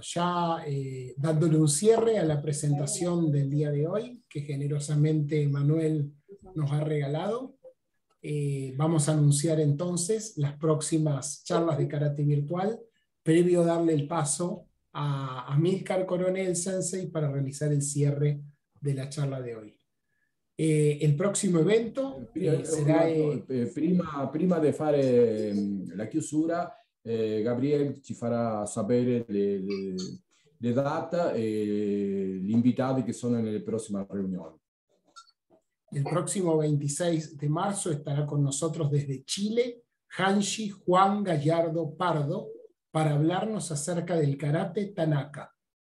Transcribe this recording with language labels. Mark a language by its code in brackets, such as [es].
[es] Ya dándole un cierre a la presentación del día de hoy, que generosamente Manuel nos ha regalado, vamos a anunciar entonces las próximas charlas de karate virtual, previo a darle el paso a Amílcar Coronel Sensei para realizar el cierre de la charla de hoy. El próximo evento será... [it] Prima de fare la chiusura, Gabriel ci farà sapere le date e gli invitati che sono nelle prossime riunioni. [es] El próximo 26 de marzo estará con nosotros desde Chile Hanshi Juan Gallardo Pardo para hablarnos acerca del karate Tanaka.